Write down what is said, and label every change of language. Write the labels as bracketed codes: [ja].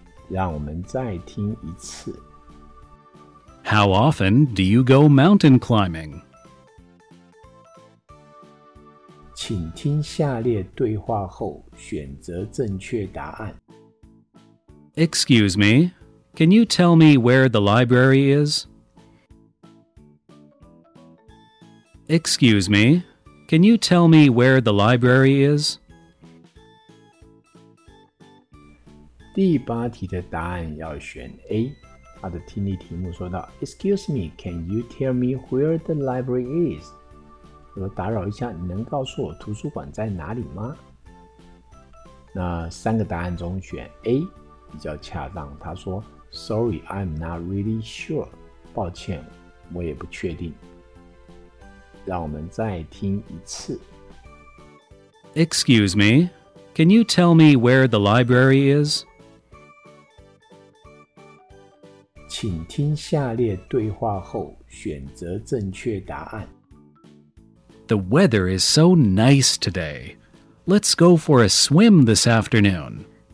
[zh] 让我们再听一次。 [en] How often do you go mountain climbing? [zh] 请听下列对话后选择正确答案。 [en] Excuse me, can you tell me where the library is? Excuse me, can you tell me where the library is? [zh] 第八题的答案要选 A， 它的听力题目说到 ： [en] “Excuse me, can you tell me where the library is？” [zh] 我打扰一下，你能告诉我图书馆在哪里吗？那三个答案中选 A 比较恰当。他说 [en] ：“Sorry, I'm not really sure。” [zh] 抱歉，我也不确定。让我们再听一次。 [en] Excuse me, can you tell me where the library is? [zh] 请听下列对话后选择正确答案。 [en] The weather is so nice today. Let's go for a swim this afternoon.